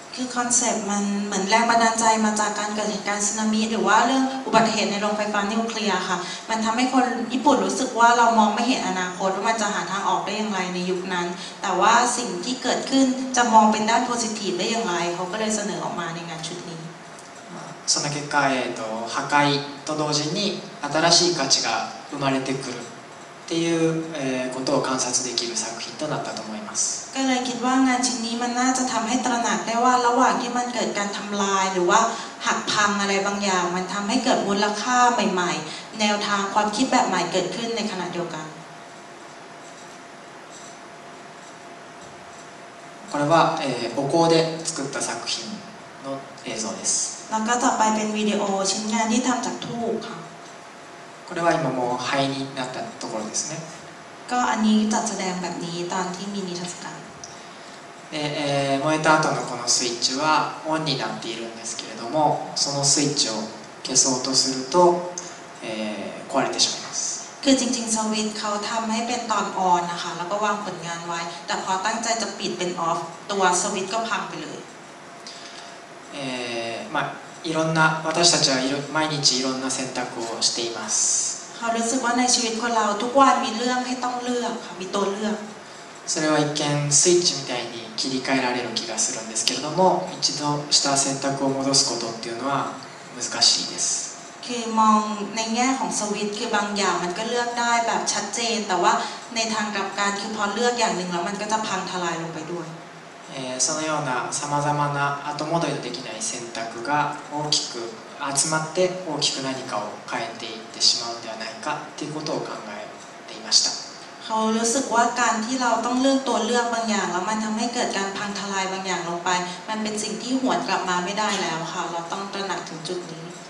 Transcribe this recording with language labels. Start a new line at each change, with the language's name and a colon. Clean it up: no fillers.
Thai: คือคอนเซ็ปต์มันเหมือนแรงบันดาลใจมาจากการเกิดเหตุการณ์สึนามิหรือว่าเรื่องอุบัติเหตุในโรงไฟฟ้านิวเคลียร์ค่ะมันทำให้คนญี่ปุ่นรู้สึกว่าเรามองไม่เห็นอนาคตว่ามันจะหาทางออกได้อย่างไรในยุคนั้นแต่ว่าสิ่งที่เกิดขึ้นจะมองเป็นด้านโพซิทีฟได้อย่างไรเขาก็เลยเสนอออกมาในงานชุดนี้
Japanese: その結果破壊と同時に新しい価値が生まれてくるっていうことを観察できる作品となったと思います。
Thai: ก็เลยคิดว่างานชิ้นนี้มันน่าจะทำให้ตระหนักได้ว่าระหว่างที่มันเกิดการทำลายหรือว่าหักพังอะไรบางอย่างมันทำให้เกิดมูลค่าใหม่ๆแนวทางความคิดแบบใหม่เกิดขึ้นในขณะเดียวกัน
Japanese: これはお香で作った作品の映像です。
Thai: แล้วก็ต่อไปเป็นวิดีโอชิ้นงานที่ทำจากธูปค่ะ
Japanese: これは今もう灰になったところですね。が、あ、にたつでんべに、たんていみにたつか。燃えた後のこのスイッチはオンになっているんですけれども、そのスイッチを消そうとすると、壊れてしまいます。
Thai: คือจริงๆสวิตเขาทำให้เป็นตอนออนนะคะแล้วก็วางผลงานไว้แต่พอตั้งใจจะปิดเป็นออฟตัวสวิตก็พังไปเลย
Japanese: まあいろんな私たちは毎日いろんな選択をしています
Thai: เขารู้สึกว่าในชีวิตของเราทุกวันมีเรื่องให้ต้องเลือกค่ะมีตัวเลือก
Japanese: それは一見スイッチみたいに切り替えられる気がするんですけれども一度した選択を戻すことっていうのは難しいです
Thai: คือมองในแง่ของสวิตช์คือบางอย่างมันก็เลือกได้แบบชัดเจนแต่ว่าในทางกลับกันคือพอเลือกอย่างหนึ่งแล้วมันก็จะพังทลายลงไปด้วย
Japanese: そのようなさまざまな後戻りできない選択が大きく集まって大きく何かを変えていってしまうんではないかっていうことを考えていました
Thai: เขารู้สึกว่าการที่เราต้องเลือกตัวเลือกบางอย่างแล้วมันทำให้เกิดการพังทลายบางอย่างลงไปมันเป็นสิ่งที่หวนกลับมาไม่ได้แล้วค่ะเราต้องตระหนักถึงจุดนี้